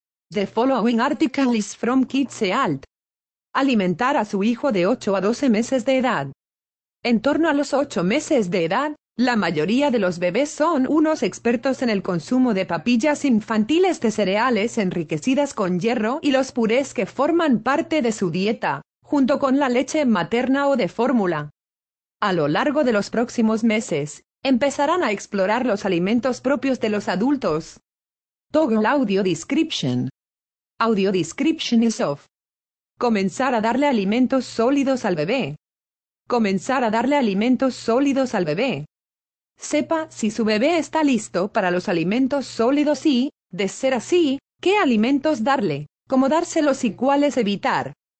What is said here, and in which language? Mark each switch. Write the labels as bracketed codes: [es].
[en] The following article is from Kids Health. [es] Alimentar a su hijo de 8 a 12 meses de edad. En torno a los 8 meses de edad, la mayoría de los bebés son unos expertos en el consumo de papillas infantiles de cereales enriquecidas con hierro y los purés que forman parte de su dieta, junto con la leche materna o de fórmula. A lo largo de los próximos meses, empezarán a explorar los alimentos propios de los adultos. [en] Toggle Audio Description. Audio Description is off. [es] Comenzar a darle alimentos sólidos al bebé. Comenzar a darle alimentos sólidos al bebé. Sepa si su bebé está listo para los alimentos sólidos y, de ser así, qué alimentos darle, cómo dárselos y cuáles evitar.